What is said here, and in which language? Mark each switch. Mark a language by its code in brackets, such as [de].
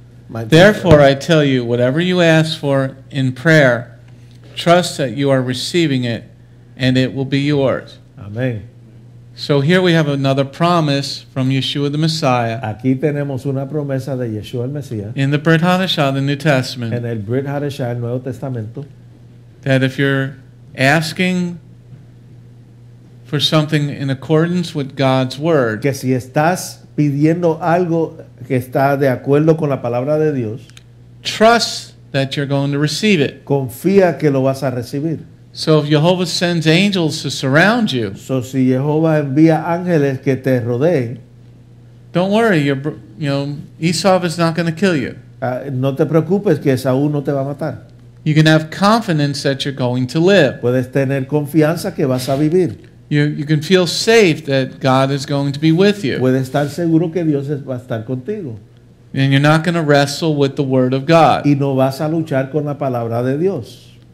[en] Therefore I tell you, whatever you ask for in prayer, trust that you are receiving it, and it will be yours. Amen. So here we have another promise from Yeshua the Messiah. [es] Aquí tenemos una promesa de Yeshua el Mesías. [en] In the Brit Hadashah, the New Testament. [es] En el Brit Hadashah, el Nuevo Testamento. [en] That if you're asking for something in accordance with God's word. [es] Que si estás pidiendo algo que está de acuerdo con la palabra de Dios. [en] Trust that you're going to receive it. [es] Confía que lo vas a recibir. [en] So if Jehovah sends angels to surround you. [es] So si Jehová envía ángeles que te rodeen. [en] Don't worry, you know, Esau is not going to kill you. [es] No te preocupes que Esaú no te va a matar. [en] You can have confidence that you're going to live. [es] Puedes tener confianza que vas a vivir. [en] You can feel safe that God is going to be with you. [es] Puedes estar seguro que Dios va a estar contigo. [en] And you're not going to wrestle with the word of God. [es] Y no vas a luchar con la palabra de Dios.